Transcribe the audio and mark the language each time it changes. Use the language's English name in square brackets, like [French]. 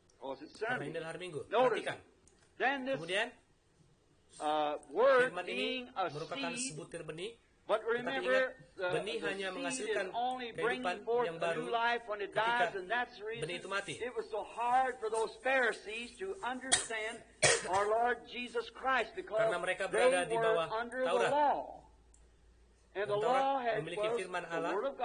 [Indonesian] Karena ini adalah hari Minggu. Perhatikan. Kemudian, firman ini merupakan sebutir benih. [English] But remember, [Indonesian] benih hanya menghasilkan kehidupan yang baru ketika benih itu mati. [English] It was so hard for those Pharisees to understand our Lord Jesus Christ because [Indonesian] karena mereka berada di bawah Taurat. [English] And the law had [Indonesian] memiliki firman Allah